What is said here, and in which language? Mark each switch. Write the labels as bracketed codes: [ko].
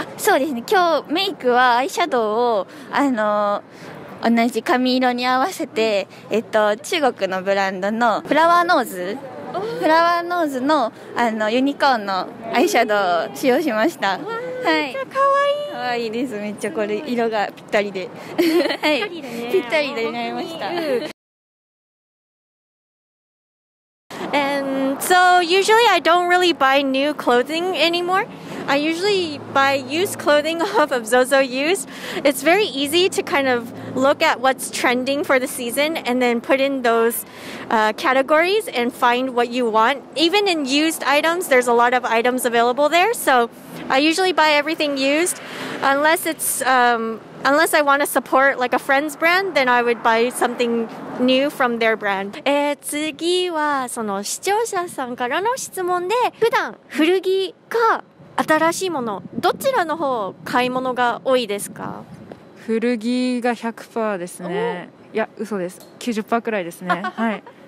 [ja] あ、そうですね、今日メイクはアイシャドウをあの同じ髪色に合わせて、中国のブランドのフラワーノーズ、フラワーノーズの、あのユニコーンのアイシャドウを使用しました。はい、めっちゃかわいい。かわいいです。めっちゃこれ色がぴったりで、はい、ぴったりでになりました。 [en] And so usually I don't really buy new clothing anymore. I usually buy used clothing off of Zozo Used. It's very easy to kind of look at what's trending for the season and then put in those categories and find what you want. Even in used items, there's a lot of items available there. So I usually buy everything used. Unless it's, unless I want to support like a friend's brand, then I would buy something new from their brand. [ja] 次はその視聴者さんからの質問で、普段古着か新しいもの、どちらの方買い物が多いですか？古着が 100% ですね。いや、嘘です。 90% くらいですね。はい。